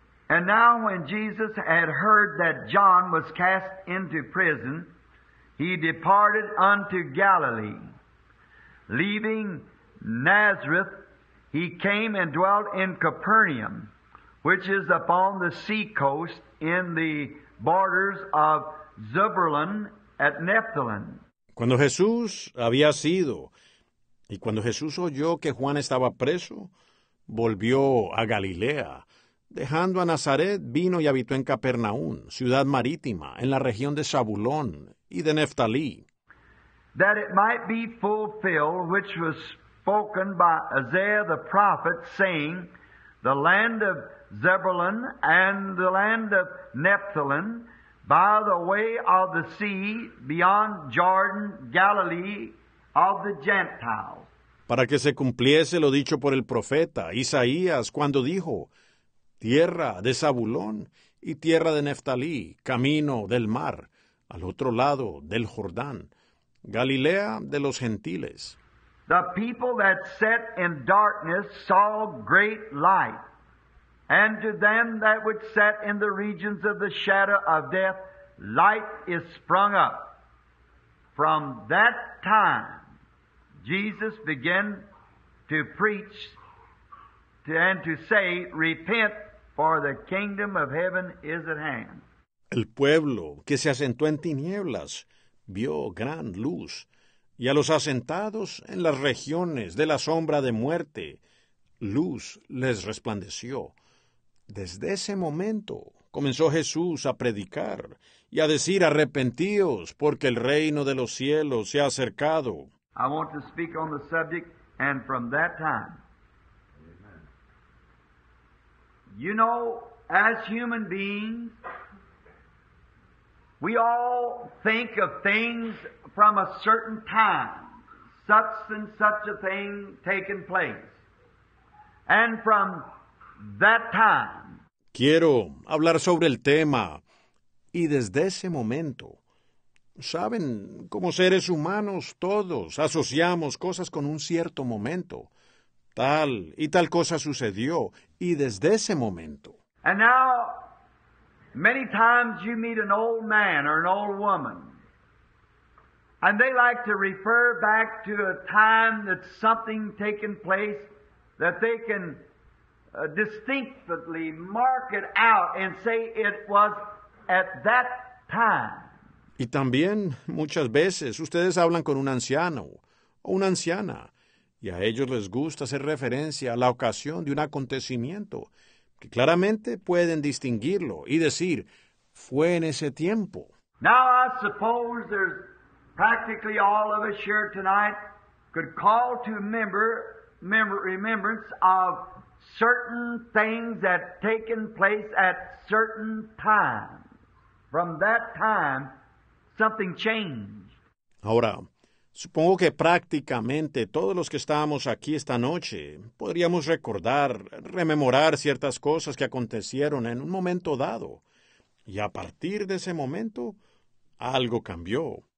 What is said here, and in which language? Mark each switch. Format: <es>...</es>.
<en>Now when Jesus had heard that John was cast into prison, he departed unto Galilee. Leaving Nazareth, he came and dwelt in Capernaum, which is upon the sea coast in the borders of Zebulun at Naphtali.</en> <es>Cuando Jesús oyó que Juan estaba preso, volvió a Galilea. Dejando a Nazaret, vino y habitó en Capernaum, ciudad marítima, en la región de Zabulón y de Neftalí.</es> <en>That it might be fulfilled which was spoken by Isaiah the prophet, saying, the land of Zebulun and the land of Naphtali, by the way of the sea, beyond Jordan, Galilee of the Gentiles.</en> <es>Para que se cumpliese lo dicho por el profeta Isaías cuando dijo, tierra de Zabulón y tierra de Neftalí, camino del mar, al otro lado del Jordán, Galilea de los gentiles.</es> <en>The people that sat in darkness saw great light. And to them that which sat in the regions of the shadow of death, light is sprung up. From that time, Jesus began to preach and to say, repent, for the kingdom of heaven is at hand.</en> <es>El pueblo que se asentó en tinieblas vio gran luz, y a los asentados en las regiones de la sombra de muerte, luz les resplandeció. Desde ese momento comenzó Jesús a predicar y a decir, arrepentíos, porque el reino de los cielos se ha acercado.</es> <en>I want to speak on the subject, and from that time. Amen. You know, as human beings, we all think of things from a certain time, such and such a thing taking place. And from that time,</en> <es>quiero hablar sobre el tema, y desde ese momento, ¿saben? Como seres humanos, todos asociamos cosas con un cierto momento. Tal y tal cosa sucedió, y desde ese momento.</es> <en>And now, many times you meet an old man or an old woman, and they like to refer back to a time that something taken place that they can distinctly mark it out and say it was at that time.</en> <es>Y también muchas veces ustedes hablan con un anciano o una anciana y a ellos les gusta hacer referencia a la ocasión de un acontecimiento que claramente pueden distinguirlo y decir fue en ese tiempo.</es> <en>Now I suppose there's practically all of us here tonight could call to remember remembrance of certain things that taken place at certain times. From that time, something changed.</en> <es>Ahora, supongo que prácticamente todos los que estábamos aquí esta noche podríamos recordar, rememorar ciertas cosas que acontecieron en un momento dado. Y a partir de ese momento, algo cambió.</es>